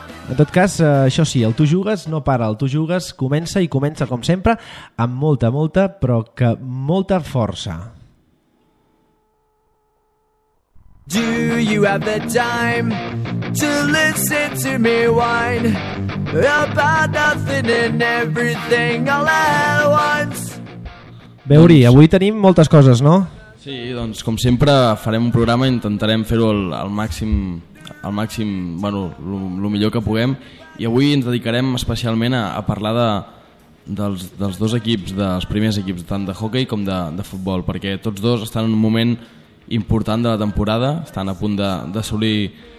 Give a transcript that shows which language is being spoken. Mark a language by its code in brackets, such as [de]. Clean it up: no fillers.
[ca] En tot cas, això sí, el Tu Jugues no para, el Tu Jugues comença i comença com sempre amb molta, molta, però que molta força. [en] Do you have the time to listen to me whine about nothing and everything all at once? [ca] Bé, Uri, avui tenim moltes coses, no? Sí, doncs com sempre farem un programa, intentarem fer-ho al màxim, bueno, el millor que puguem, i avui ens dedicarem especialment a parlar dels dos equips, dels primers equips, tant de hockey com de futbol, perquè tots dos estan en un moment important de la temporada, estan a punt d'assolir